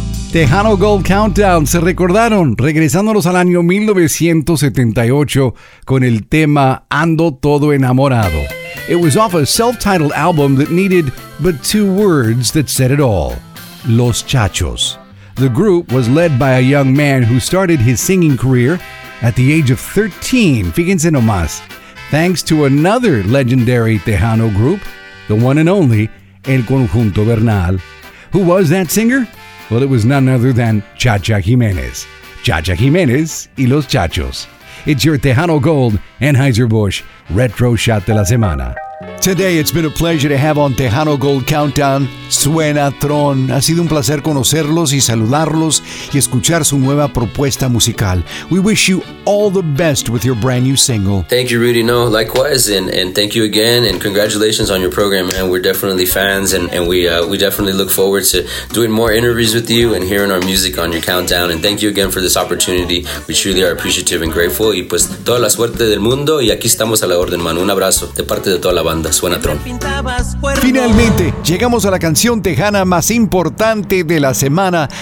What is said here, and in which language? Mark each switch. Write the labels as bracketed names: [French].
[Spanish] Tejano Gold Countdown, se recordaron, regresándonos al año 1978 con el tema Ando Todo Enamorado. [English] It was off a self-titled album that needed but two words that said it all. Los Chachos. The group was led by a young man who started his singing career at the age of 13. [Spanish] Fíjense nomás. [English] Thanks to another legendary Tejano group, the one and only El Conjunto Bernal. Who was that singer? Well, it was none other than Chacha Jimenez. Chacha Jimenez y los Chachos. It's your Tejano Gold, Anheuser-Busch, Retro Shot de la Semana. Today, it's been a pleasure to have on Tejano Gold Countdown, Suenatron. [Spanish] Ha sido un placer conocerlos y saludarlos y escuchar su nueva propuesta musical. [English] We wish you all the best with your brand new single. Thank you, Rudy. No, likewise, and thank you again, and congratulations on your program, man. We're definitely fans, and we definitely look forward to doing more interviews with you and hearing our music on your countdown. And thank you again for this opportunity. We truly are appreciative and grateful. [Spanish] Y pues, toda la suerte del mundo, y aquí estamos a la orden, mano. Un abrazo de parte de toda la banda. Suenatron. Finalmente, llegamos a la canción tejana más importante de la semana.